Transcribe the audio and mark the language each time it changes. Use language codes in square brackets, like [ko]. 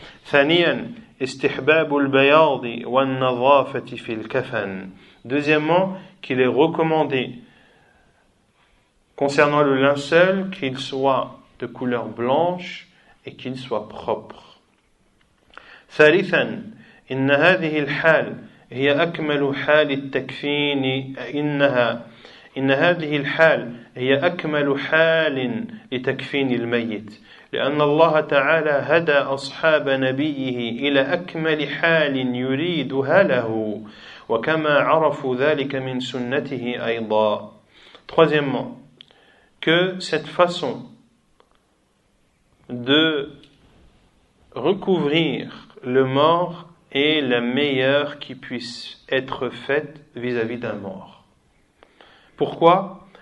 [ar] Thaniyan, استحباب البياض والنظافة في الكفن. [fr] Deuxièmement, qu'il est recommandé concernant le linceul qu'il soit de couleur blanche et qu'il soit propre. [ar] ثالثا ان هذه الحال هي اكمل حال التكفين ان هذه الحال هي اكمل حال لتكفين الميت. لأن الله تعالى هدى أصحاب نبيه إلى أكمل حال يريدها له وكما عرفوا ذلك من سنته أيضا. [fr] Troisièmement, que cette façon de recouvrir le mort est la meilleure qui puisse être faite vis-à-vis d'un mort. Pourquoi?